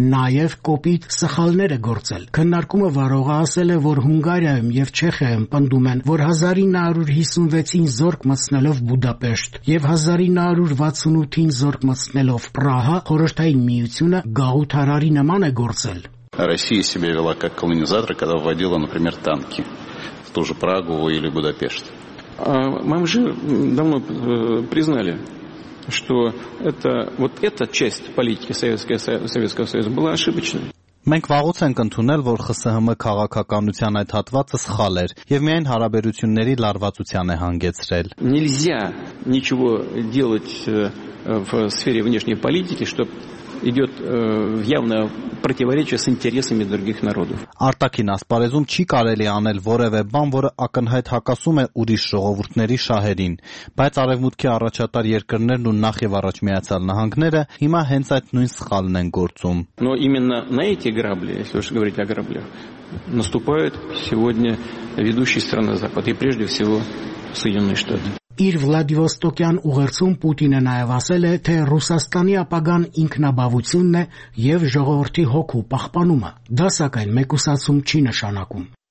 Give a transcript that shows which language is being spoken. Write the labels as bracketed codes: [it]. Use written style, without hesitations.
[hy] նաև կոպիտ սխալներ է գործել։ Քննարկումը վարողը ասել է, որ Հունգարիայում եւ Չեխիայում պնդում են, որ 1956-ին զորք մտցնելով Բուդապեշտ եւ 1968-ին զորք մտցնելով Պրահա, խորհրդային միությունը գաղութարարի նման է գործել։ [ru] Россия себя вела как колонизатор, когда вводила, например, танки в ту же Прагу или Будапешт. Мы уже давно признали, что это, вот эта часть политики Советского Союза была ошибочной. [hy] Մենք վաղուց ենք ընդունել, որ ԽՍՀՄ քաղաքականության այդ հատվածը սխալ էր եւ միայն հարաբերությունների լարվածության է հանգեցրել։ [ru] Нельзя ничего делать в сфере внешней политики, чтоб идёт явное противоречие с интересами других народов. [hy] Արտաքին ասպարեզում չի կարելի անել որևէ բան, որը ակնհայտ հակասում է ուրիշ ժողովուրդների շահերին, բայց արևմուտքի առաջատար երկրներն ու նախ եւ առաջ միացյալ նահանգները հիմա հենց այդ նույն սխալն են գործում։ [ru] Но именно на эти грабли, если уж говорить о граблях, наступают сегодня ведущие страны Запада и прежде всего Соединённые Штаты. [hy] Իր Վլադիվոստոկյան ուղերձում Պուտինը նաև ասել է, թե Ռուսաստանի ապագան ինքնաբավությունն է եւ ժողովրդի հոգու պահպանումը։ Դա սակայն մեկուսացում չի նշանակում։